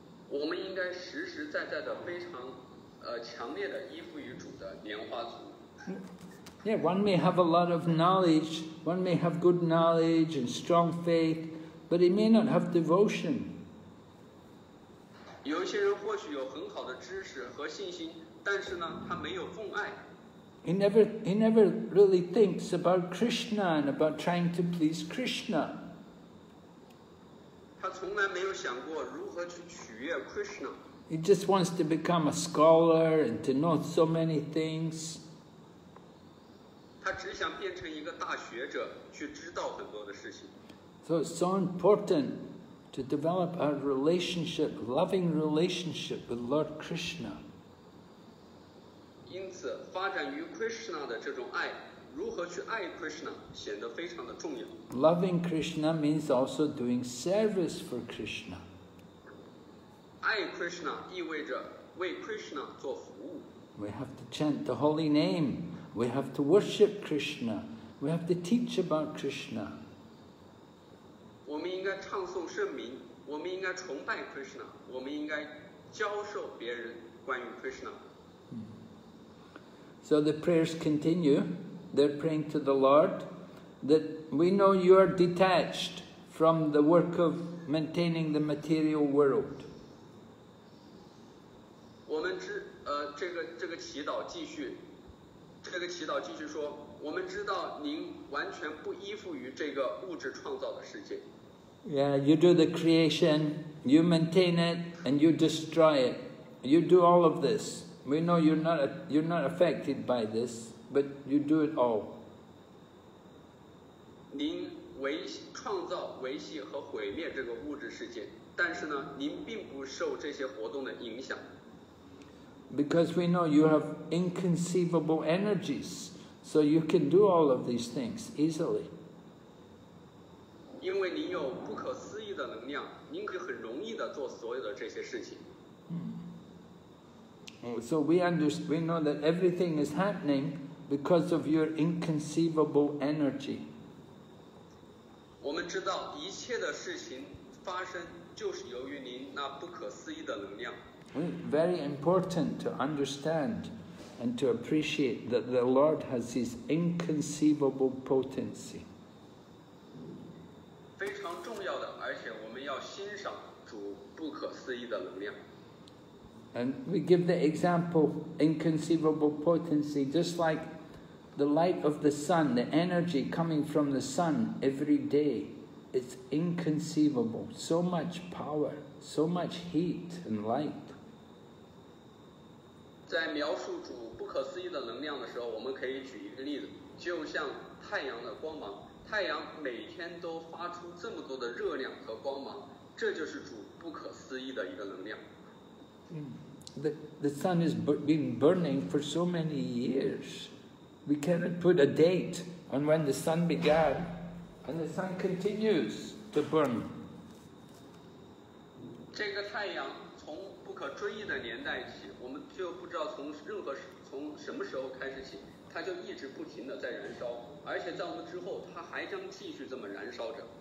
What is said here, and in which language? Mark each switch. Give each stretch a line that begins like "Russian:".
Chinese: 我们应该实实在在的非常强烈的依附于主的莲花足。
English: Yeah, one may have a lot of knowledge, one may have good knowledge and strong faith, but he may not have devotion.
Chinese: 有些人或许有很好的知识和信心，但是呢，他没有奉爱。
English: He never really thinks about Krishna and about trying to please Krishna.
Chinese: 他从来没有想过如何去取悦 Krishna.
English: He just wants to become a scholar and to know so many things.
Chinese: 他只想变成一个大学者，去知道很多的事情。
English: So it's so important. To develop a relationship, loving relationship with Lord Krishna.
Chinese: 因此，发展于 Krishna 的这种爱，如何去爱 Krishna 显得非常的重要。
English: Loving Krishna means also doing service for Krishna.
Chinese: 爱 Krishna 意味着为 Krishna 做服务。
English: We have to chant the holy name. We have to worship Krishna. We have to teach about Krishna.
Chinese: 我们应该唱诵圣名，我们应该崇拜 Krishna， 我们应该教授别人关于 Krishna。
English: So the prayers continue. They're praying to the Lord that we know you are detached from the work of maintaining the material world.
Chinese: 我们知这个祈祷继续，这个祈祷继续说，我们知道您完全不依附于这个物质创造的世界。
English: Yeah, you do the creation, you maintain it, and you destroy it. You do all of this. We know you're not affected by this, but you do it all.
Chinese: 您维创造、维系和毁灭这个物质世界，但是呢，您并不受这些活动的影响。
English: Because we know you have inconceivable energies, so you can do all of these things easily.
Chinese: 因为您有不可思议的能量，您可以很容易地做所有的这些事情。
English: So we know that everything is happening because of your inconceivable energy.
Chinese: 我们知道一切的事情发生就是由于您那不可思议的能量。
English: Very important to understand and to appreciate that the Lord has His inconceivable potency.
Chinese: 非常重要的，而且我们要欣赏主不可思议的能量。
English: And we give the example, inconceivable potency, just like the light of the sun, the energy coming from the sun every day. It's inconceivable. So much power, so much heat and light.
Chinese: 在描述主不可思议的能量的时候，我们可以举一个例子，就像太阳的光芒，太阳每天都发出这么多的热量和光芒，这就是主不可思议的一个能量。
English: The sun has been burning for so many years. We cannot put a date on when the sun began, and the sun continues to burn.
Chinese: 这个太阳从不可追忆的年代起，我们就不知道从什么时候开始起，它就一直不停的在燃烧，而且在我们之后，它还将继续这么燃烧着。